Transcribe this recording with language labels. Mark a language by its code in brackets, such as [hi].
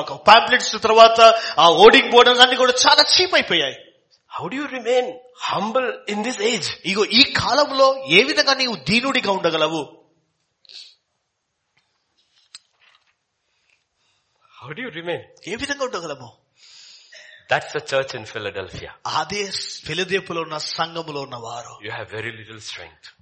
[te] Pamphlets తర్వాత ఆ ఓడింగ్ board అన్ని కూడా చాలా చీప్ అయిపోయాయి. [en] How do you remain humble in this age? [te] ఇగో ఈ కాలంలో ఏ విధంగా నీవు దీనుడిగా ఉండగలవు? [en] How do you remain? [te] ఏ విధంగా ఉండగలము? [en] That's the church in Philadelphia. [te] అదే ఫిలడెల్ఫియాలో ఉన్న సంఘములో ఉన్న వారు. [en] You have very little strength.